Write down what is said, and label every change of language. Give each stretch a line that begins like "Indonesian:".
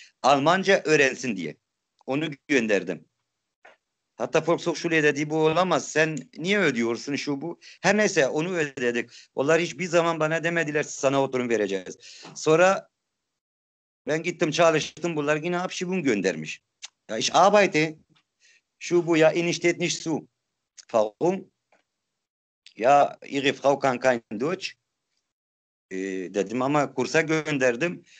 Turkish: Almanca öğrensin diye. Onu gönderdim. Hatta Volkshochschule dedi, bu olamaz, sen niye ödüyorsun şu bu? Her neyse onu ödedik. Onlar hiçbir zaman bana demediler, sana oturum vereceğiz. Sonra ben gittim çalıştım, bunlar yine Abschiebung göndermiş.
German: Ja, ich arbeite.
Turkish: Şu bu ya,
German: in ich steht nicht zu. Warum? Ja, ihre Frau kann kein Deutsch.
Turkish: Dedim ama kursa gönderdim.